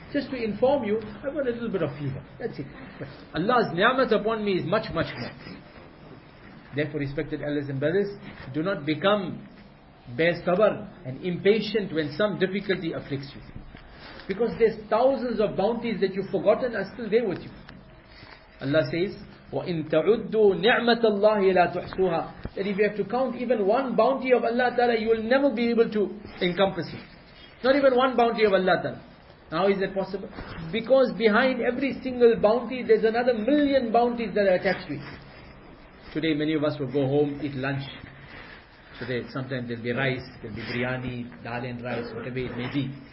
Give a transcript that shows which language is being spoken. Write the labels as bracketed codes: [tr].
[en] Just to inform you, I've got a little bit of fever. That's it. But Allah's ni'mas upon me is much, much more. Therefore, respected elders and brothers, do not become bear sabr and impatient when some difficulty afflicts you. Because there's thousands of bounties that you've forgotten are still there with you. [ar] Allah says, وَإِن تَعُدُّوا نِعْمَةَ اللَّهِ لَا تُحْصُوهَا. [en] That if you have to count even one bounty of Allah Ta'ala, you will never be able to encompass it. Not even one bounty of Allah Ta'ala. How is that possible? Because behind every single bounty, there's another million bounties that are attached to it. Today many of us will go home, eat lunch. Today sometimes there'll be rice, there'll be biryani, dal and rice, whatever it may be.